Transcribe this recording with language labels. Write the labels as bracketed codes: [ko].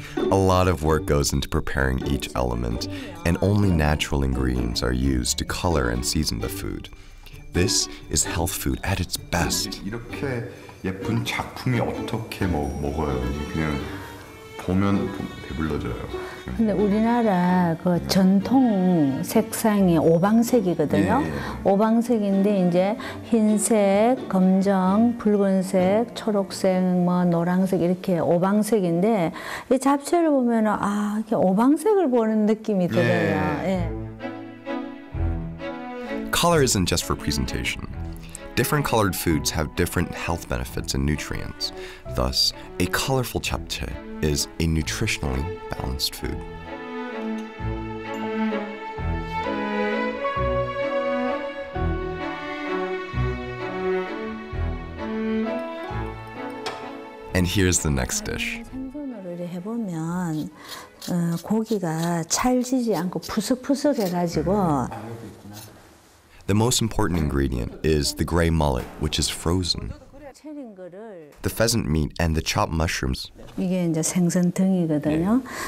[en] A lot of work goes into preparing each element, and only natural ingredients are used to color and season the food. This is health food at its best. [ko] 이렇게 예쁜 작품이 어떻게 먹어요? 그냥 보면 배불러져요. 근데 우리나라 그 전통 색상이 오방색이거든요. 예. 오방색인데 이제 흰색, 검정, 붉은색, 초록색, 뭐 노란색 이렇게 오방색인데 이 잡채를 보면 아, 이게 오방색을 보는 느낌이 들어요. 예. 예. [en] Color isn't just for presentation. Different colored foods have different health benefits and nutrients. Thus, a colorful japchae is a nutritionally balanced food. And here's the next dish. [ko] 해보면 고기가 찰지지 않고 푸석푸석해가지고. [en] The most important ingredient is the gray mullet, which is frozen. The pheasant meat and the chopped mushrooms. [ko] 이게 이제 생선 등이거든요.